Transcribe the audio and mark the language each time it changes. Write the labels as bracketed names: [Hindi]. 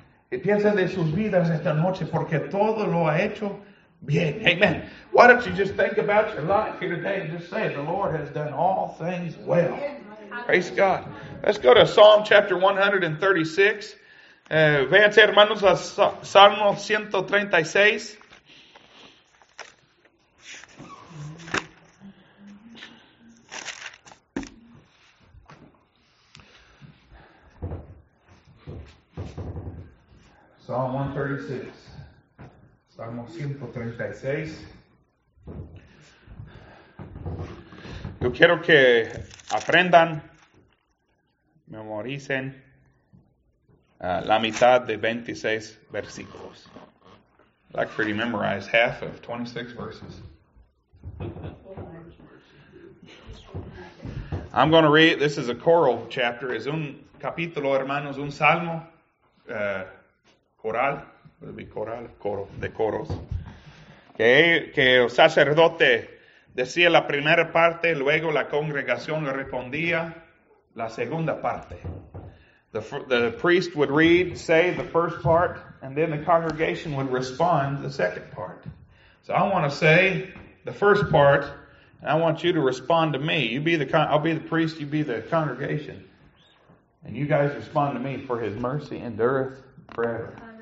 [Spanish] Y piensen de sus vidas esta noche, porque todo lo ha hecho bien. Amen. [English] Why don't you just think about your life here today and just say, the Lord has done all things well. Praise God. Let's go to Psalm chapter 136. [Spanish] Véanse, hermanos, a Salmo 136. [English] Psalm 136. [Spanish] Salmo 136. Yo quiero que aprendan, memoricen la mitad de 26 versículos. [English] I'd like for you to memorize half of 26 verses. I'm going to read, this is a choral chapter. [Spanish] Es un capítulo, hermanos, un salmo coral. [English] It'll be coral, [Spanish] coro, de coros. Que el sacerdote decía la primera parte, luego la congregación le respondía la segunda parte. [English] The priest would read, say the first part, and then the congregation would respond the second part. So I want to say the first part, and I want you to respond to me. I'll be the priest, you be the congregation. And you guys respond to me, for his mercy endureth forever.